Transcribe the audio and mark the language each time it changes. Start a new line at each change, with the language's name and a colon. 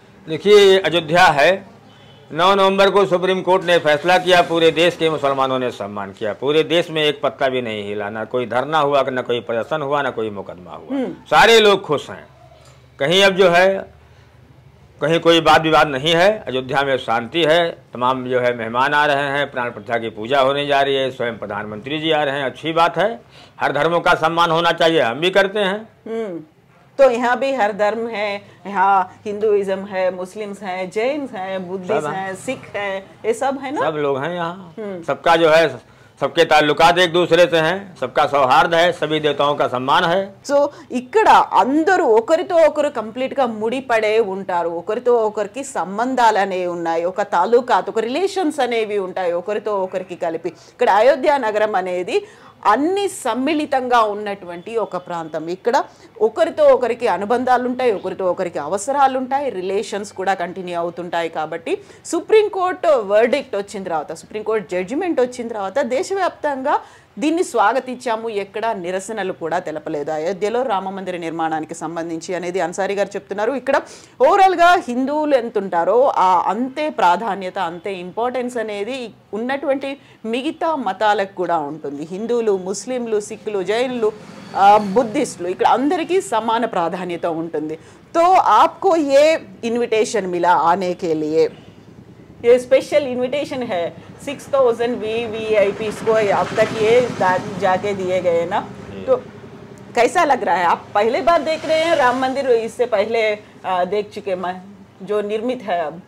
Hindi: देखिए, अयोध्या है, 9 नवंबर को सुप्रीम कोर्ट ने फैसला किया, पूरे देश के मुसलमानों ने सम्मान किया, पूरे देश में एक पत्ता भी नहीं हिला, ना कोई धरना हुआ, ना कोई प्रदर्शन हुआ, ना कोई मुकदमा हुआ, सारे लोग खुश हैं, कहीं अब जो है कहीं कोई वाद विवाद नहीं है, अयोध्या में शांति है, तमाम जो है मेहमान आ रहे हैं, प्राण प्रतिष्ठा की पूजा होने जा रही है, स्वयं प्रधानमंत्री जी आ रहे हैं, अच्छी बात है, हर धर्मों का सम्मान होना चाहिए, हम भी करते हैं. तो यहाँ भी हर धर्म है, यहाँ हिंदुइज्म है, मुस्लिम्स हैं, जैन्स हैं, बुद्धिस्ट हैं, सिख हैं, ये सब है ना, सब लोग हैं यहाँ, सबका जो है सबके ताल्लुकात एक दूसरे से हैं, सबका सौहार्द है, सभी देवताओं का सम्मान है.
Telugu: सो इकड़ा अंदर ఒకరితో ఒకరు కంప్లీట్ గా ముడిపడే ఉంటారు, ఒకరితో ఒకరికి సంబంధాలు అనేవి ఉన్నాయి, ఒక తాలూకాత్ ఒక రిలేషన్స్ అనేవి ఉంటాయి ఒకరితో ఒకరికి కలిపి. ఇక్కడ అయోధ్య నగరం అనేది అన్ని సమ్మిళితంగా ఉన్నటువంటి ఒక ప్రాంతం. ఇక్కడ ఒకరితో ఒకరికి అనుబంధాలు ఉంటాయి, ఒకరితో ఒకరికి అవసరాలు ఉంటాయి, రిలేషన్స్ కూడా కంటిన్యూ అవుతుంటాయి. కాబట్టి సుప్రీంకోర్టు వర్డిక్ట్ వచ్చిన తర్వాత, సుప్రీంకోర్టు జడ్జిమెంట్ వచ్చిన తర్వాత దేశవ్యాప్తంగా దీన్ని స్వాగతించాము, ఎక్కడ నిరసనలు కూడా తెలపలేదు అయోధ్యలో రామ మందిర నిర్మాణానికి సంబంధించి అనేది అన్సారీ గారు చెప్తున్నారు. ఇక్కడ ఓవరాల్గా హిందువులు ఎంత ఉంటారో ఆ అంతే ప్రాధాన్యత, అంతే ఇంపార్టెన్స్ అనేది ఉన్నటువంటి మిగతా మతాలకు కూడా ఉంటుంది. హిందువులు, ముస్లింలు, సిక్కులు, జైనులు, బుద్ధిస్టులు, ఇక్కడ అందరికీ సమాన ప్రాధాన్యత ఉంటుంది.
Hindi: తో ఆప్కో ఏ ఇన్విటేషన్ మిలా ఆనే కే లియే? ये स्पेशल इनविटेशन है, 6000 VVIP को अब तक ये जाके दिए गए ना, तो कैसा लग रहा है? आप पहले बार देख रहे हैं राम मंदिर, इससे पहले देख चुके मैं जो निर्मित है अब?